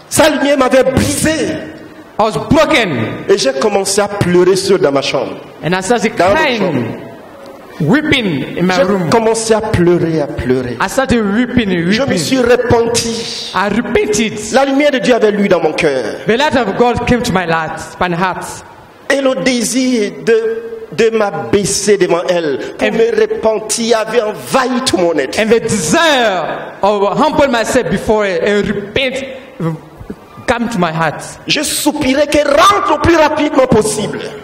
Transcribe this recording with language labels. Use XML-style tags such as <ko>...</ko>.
<fr>Sa lumière m'avait brisé.</fr> <en>I was broken.</en> <fr>Et j'ai commencé à pleurer seul dans ma chambre.</fr> <en>And I started crying, chambre. Weeping in my room.</en> <fr>J'ai commencé à pleurer, à pleurer.</fr> <en>I started weeping, weeping.</en> <fr>Je me suis repenti.</fr> <en>I repented.</en> <fr>La lumière de Dieu avait lu dans mon cœur.</fr> <en>The light of God came to my heart,</en> <fr>Et le désir de m'abaisser devant elle pour me repentir avait envahi tout mon être.</fr> <en>And the desire of humble myself before her and repent. Come to my heart.</en> <fr>Je soupirais qu'elle rentre le plus rapidement possible.</fr>